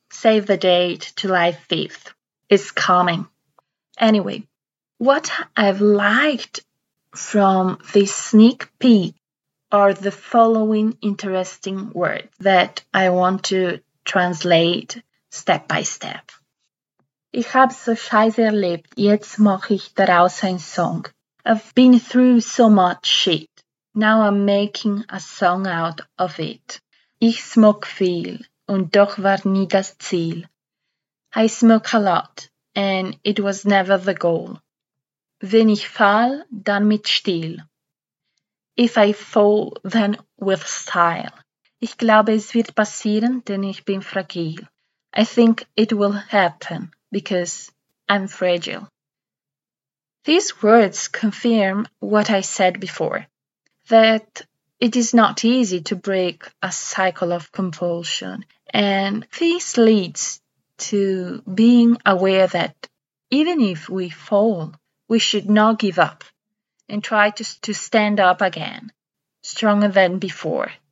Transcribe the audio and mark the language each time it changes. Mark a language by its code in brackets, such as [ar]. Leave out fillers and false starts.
[en] Save the date, July 5th. It's coming. Anyway, what I've liked from this sneak peek are the following interesting words that I want to translate step by step. [de] Ich hab so scheiße erlebt, jetzt mach ich daraus ein Song. [en] I've been through so much shit, now I'm making a song out of it. [de] Ich smoke viel, und doch war nie das Ziel. [en] I smoke a lot, and it was never the goal. [de] Wenn ich fall, dann mit Stil. [en] If I fall, then with style. [de] Ich glaube, es wird passieren, denn ich bin fragil. [en] I think it will happen, because I'm fragile. These words confirm what I said before, that It is not easy to break a cycle of compulsion, and this leads to being aware that even if we fall, we should not give up and try to stand up again, stronger than before.